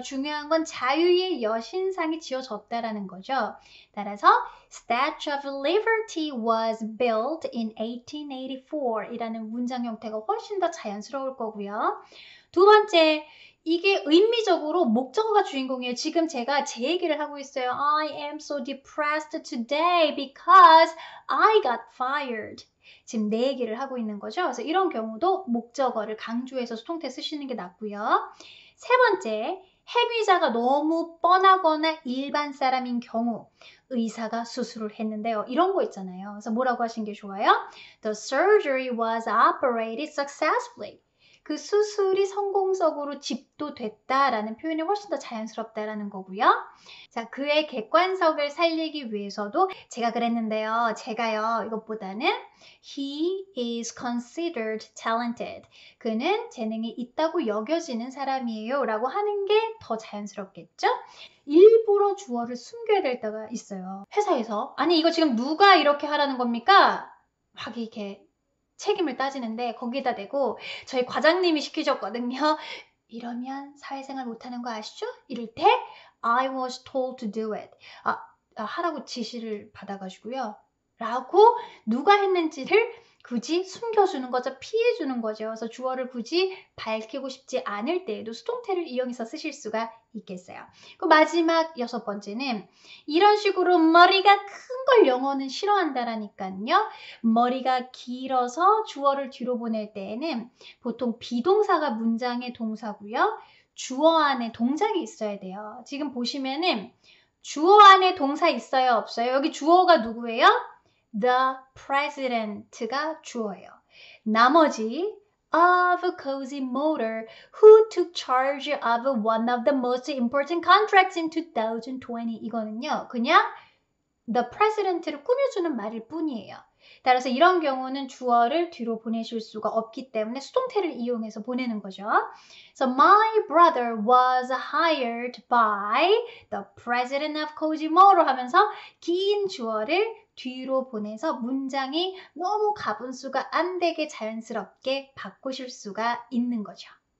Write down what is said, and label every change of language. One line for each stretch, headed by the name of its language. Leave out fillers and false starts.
Korean: 중요한 건 자유의 여신상이 지어졌다라는 거죠. 따라서,
English: Statue of Liberty was built in 1884
Korean: 이라는 문장 형태가 훨씬 더 자연스러울 거고요. 두 번째, 이게 의미적으로 목적어가 주인공이에요. 지금 제가 제 얘기를 하고 있어요.
English: I am so depressed today because I got fired.
Korean: 지금 내 얘기를 하고 있는 거죠. 그래서 이런 경우도 목적어를 강조해서 수동태 쓰시는 게 낫고요. 세 번째, 행위자가 너무 뻔하거나 일반 사람인 경우, 의사가 수술을 했는데요. 이런 거 있잖아요. 그래서 뭐라고 하신 게 좋아요?
English: The surgery was operated successfully.
Korean: 그 수술이 성공적으로 집도됐다라는 표현이 훨씬 더 자연스럽다라는 거고요. 자, 그의 객관성을 살리기 위해서도 제가 그랬는데요. 제가요, 이것보다는
English: He is considered talented.
Korean: 그는 재능이 있다고 여겨지는 사람이에요. 라고 하는 게더 자연스럽겠죠? 일부러 주어를 숨겨야 될 때가 있어요. 회사에서. 아니, 이거 지금 누가 이렇게 하라는 겁니까? 막 이렇게 책임을 따지는데 거기다 대고 저희 과장님이 시키셨거든요. 이러면 사회생활 못하는 거 아시죠? 이럴 때
English: I was told to do it.
Korean: 하라고 지시를 받아가지고요. 라고 누가 했는지를 굳이 숨겨주는 거죠. 피해주는 거죠. 그래서 주어를 굳이 밝히고 싶지 않을 때에도 수동태를 이용해서 쓰실 수가 있겠어요. 그 마지막 여섯 번째는 이런 식으로 머리가 큰걸 영어는 싫어한다라니까요. 머리가 길어서 주어를 뒤로 보낼 때에는 보통 비동사가 문장의 동사고요. 주어 안에 동작이 있어야 돼요. 지금 보시면은 주어 안에 동사 있어요, 없어요? 여기 주어가 누구예요? The president가 주어예요. 나머지
English: of a cozy motor who took charge of one of the most important contracts in 2020
Korean: 이거는요. 그냥 the president를 꾸며주는 말일 뿐이에요. 따라서 이런 경우는 주어를 뒤로 보내실 수가 없기 때문에 수동태를 이용해서 보내는 거죠.
English: So my brother was hired by the president of Cogimoro
Korean: 하면서 긴 주어를 뒤로 보내서 문장이 너무 가분수가 안 되게 자연스럽게 바꾸실 수가 있는 거죠.